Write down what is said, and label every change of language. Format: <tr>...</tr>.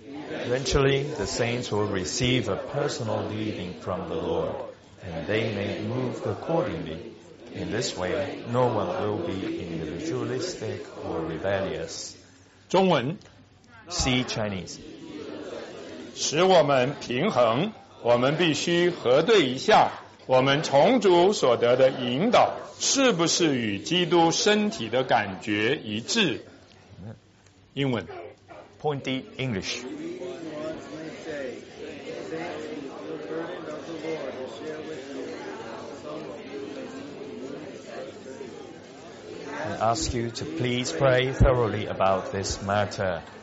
<en>Eventually, the saints will receive a personal leading from the Lord, and they may move accordingly. In this way, no one will be individualistic or rebellious.</en> <zh>中文。</zh> <en>C, Chinese.</en> <zh>使我们平衡我们必须核对一下我们从主所得的引导是不是与基督身体的感觉一致英文</zh> <en>Point D English I ask you to please pray thoroughly about this matter</en>